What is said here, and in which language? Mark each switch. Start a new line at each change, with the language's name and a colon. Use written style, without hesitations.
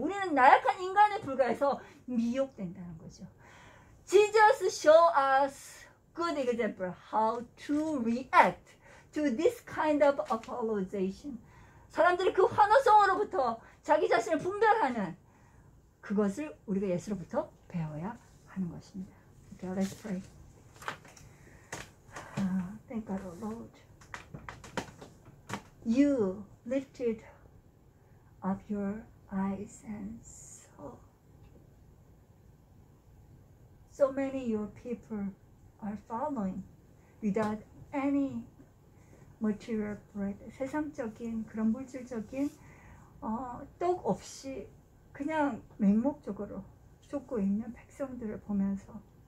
Korean: 우리는 나약한 인간에 불과해서 미혹된다는 거죠.
English: Jesus show us good example how to react to this kind of apologization.
Korean: 사람들이 그 환호성으로부터 자기 자신을 분별하는 그것을 우리가 예수로부터 배워야 하는 것입니다.
English: Okay, let's pray. Thank God, oh Lord. You lifted up your eyes and saw so many your people are following without any material bread,
Korean: 세상적인 그런 물질적인 떡 없이 그냥 맹목적으로 쫓고 있는 백성들을 보면서